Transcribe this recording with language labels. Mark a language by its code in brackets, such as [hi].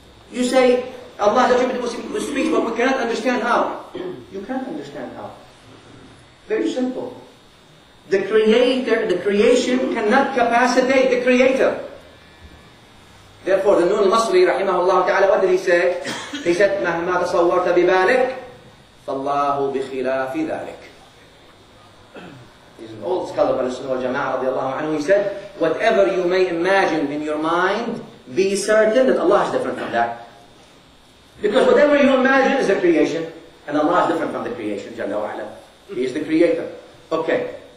[en] You say, Allah is attributed with speech, but we cannot understand how. You can't understand how. Very simple. The creator, the creation cannot capacitate the creator. Therefore, the Nun al-Masri, rahimahullah ta'ala, what did he say? [ar] He said, مَهْمَا تَصَوَّرْتَ بِبَالِكَ فَاللَّهُ بِخِلَافِ ذَلِكَ. [en] He's an old scholar of al-Sunnah al-Jama'ah, radiallahu anhu, he said, whatever you may imagine in your mind, be certain that Allah is different from that. Because whatever you imagine is a creation, and Allah is different from the creation, Jalla wa'ala. He is the creator. Okay.